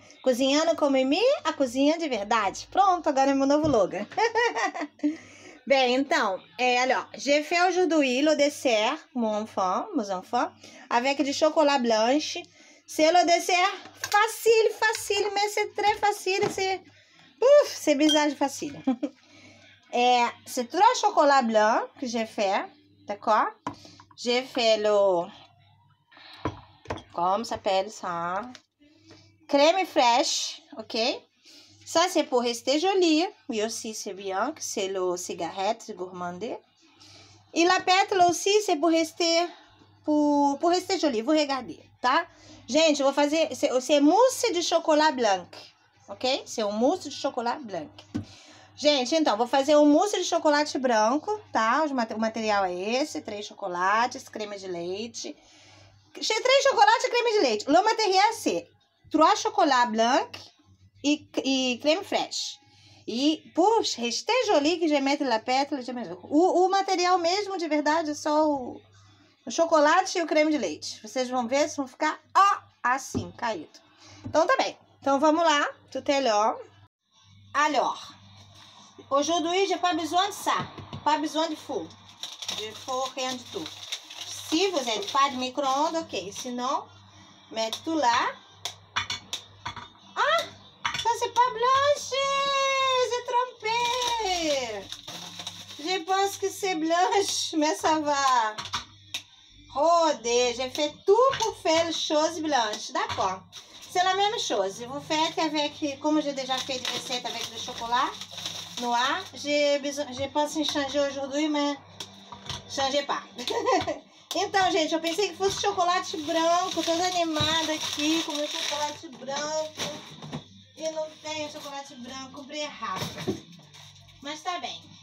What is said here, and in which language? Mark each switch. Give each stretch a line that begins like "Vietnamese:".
Portuguese: Cozinhando com Mimi, a cozinha de verdade. Pronto, agora é meu novo logo. Bem, então,
French: alors, j'ai fait aujourd'hui le dessert, mon enfant, avec de chocolat blanche. C'est le dessert facile, facile, mais c'est très facile, c'est... Uf, c'est bizarre facile. C'est trois chocolat blanc que j'ai fait, d'accord? J'ai fait le... Comment s'appelle ça? Crème fraîche, ok? Ça, c'est pour rester joli. Et aussi, c'est bien, que c'est le cigarette gourmande. Et la pétale aussi, c'est pour rester... Pour rester joli, vous regardez, tá?
Portuguese: Gente, eu vou fazer...
French: C'est mousse de chocolat blanc.
Portuguese: Ok? Seu mousse de chocolate blanc. Gente, então, vou fazer um mousse de chocolate branco, tá? O material é esse, três chocolates, creme de leite. Três chocolates e creme de leite. O material é esse.
French: Trois chocolates blanc e creme fraîche. E, puxa, restez joli, que j'ai mette la pétale.
Portuguese: O material mesmo, de verdade, é só o chocolate e o creme de leite. Vocês vão ver se vão ficar ó, assim, caído. Então, tá bem. Então, vamos lá.
French: Tout est là. Alors, aujourd'hui, j'ai pas besoin de ça. Pas besoin de four. De four, rien de tout. Si vous avez pas de micro-ondes, ok. Sinon, mette tout là. Ah, ça c'est pas blanche. J'ai trompé. Je pense que c'est blanche, mais ça va. Rodé, j'ai fait tout pour faire les choses blanches. D'accord. C'est la même chose. Vous faites avec, comme j'ai déjà fait une recette avec le chocolat noir, j'ai pensé changer aujourd'hui, mais changez pas.
Portuguese: Então, gente, eu pensei que fosse chocolate branco, toda animada aqui, com meu chocolate branco, e não tenho chocolate branco, comprei errado. Mas tá bem.